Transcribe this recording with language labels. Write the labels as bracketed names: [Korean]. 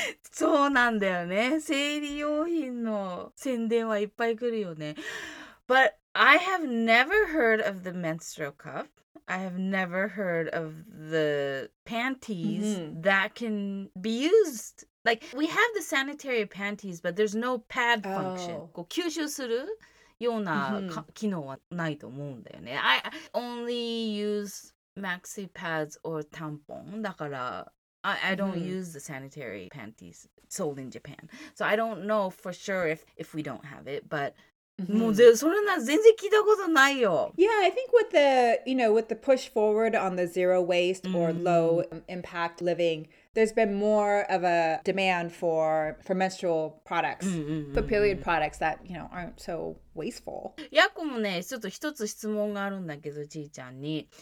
[Japanese] そうなんだよね、生理用品の宣伝はいっぱい来るよね。 [English] ButI have never heard of the menstrual cup. I have never heard of the panties that can be used. Like, we have the sanitary panties, but there's no pad function. [Japanese] こう吸収するような機能はないと思うんだよね。 [English] I only use maxi pads or tampon. [Japanese] だから、 [English] I don't use the sanitary panties sold in Japan. So I don't know for sure if we don't have it, but... [Japanese] もうそれな全然聞いたことないよ。 [English] Yeah, I think with the, you know, with the push forward on the zero waste or low impact living, there's been more of a demand for menstrual products, for period products that, you know, aren't so wasteful. [Japanese] ヤコもね、ちょっと一つ質問があるんだけど、ちーちゃんに。